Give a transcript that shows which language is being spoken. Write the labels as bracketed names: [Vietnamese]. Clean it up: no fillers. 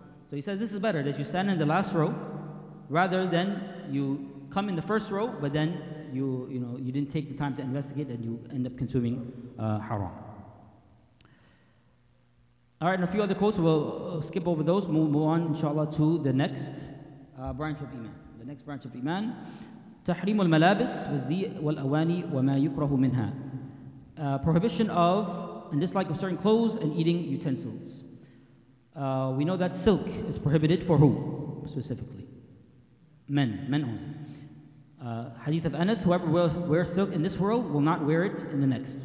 [English] So he says this is better, that you stand in the last row, rather than you come in the first row, but then you didn't take the time to investigate, and you end up consuming haram. All right, and a few other quotes. We'll skip over those. Move on, inshallah, to the next branch of iman. The next branch of iman: [Arabic] تحريم الملابس والزي والأواني وما يكره منها. [English] Prohibition of and dislike of certain clothes and eating utensils. We know that silk is prohibited for who specifically? Men only. Hadith of Anas, whoever will wear silk in this world will not wear it in the next.